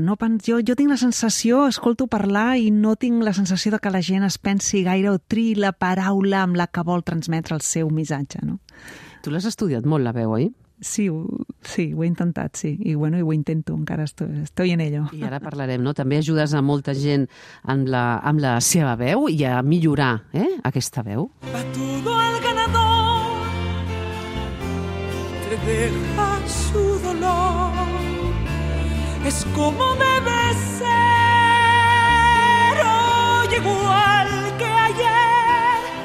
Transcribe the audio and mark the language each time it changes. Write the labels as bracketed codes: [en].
[ca] No jo tinc la sensació, escolto parlar i no tinc la sensació de que la gent es pensi gaire o triï la paraula amb la que vol transmetre el seu missatge, no? Tu l'has estudiat molt, la veu, oi? Sí, ho he intentat, sí. I bueno, ho intento, encara [es] estoy en ello. [ca] I ara parlarem, no? També ajudes a molta gent amb la seva veu i a millorar, aquesta veu. [es] A todo el ganador te deja su dolor. Es como debe ser hoy igual que ayer.